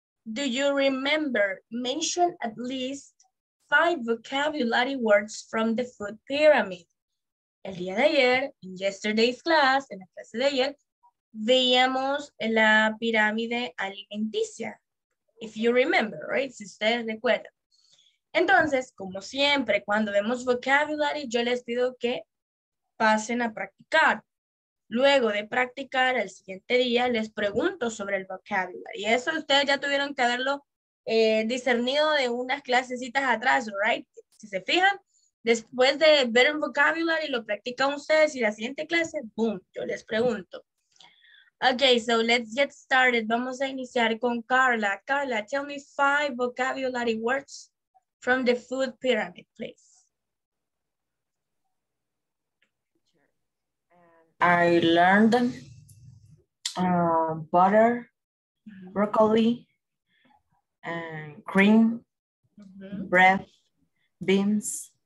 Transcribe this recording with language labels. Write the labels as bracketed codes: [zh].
[en] Do you remember, mention at least 5 vocabulary words from the food pyramid? [es] El día de ayer, [en] in yesterday's class, [es] en la clase de ayer, veíamos la pirámide alimenticia. [en] If you remember, right? [es] Si ustedes recuerdan. Entonces, como siempre, cuando vemos vocabulary, yo les pido que pasen a practicar. Luego de practicar, el siguiente día les pregunto sobre el vocabulary. Y eso ustedes ya tuvieron que haberlo discernido de unas clasecitas atrás, right? Si se fijan, después de ver el vocabulary, lo practican ustedes y la siguiente clase, boom, yo les pregunto. [en] Okay, so let's get started. [es] Vamos a iniciar con Carla. [en] Carla, tell me 5 vocabulary words from the food pyramid, please. I learned butter, broccoli, and cream, bread, beans.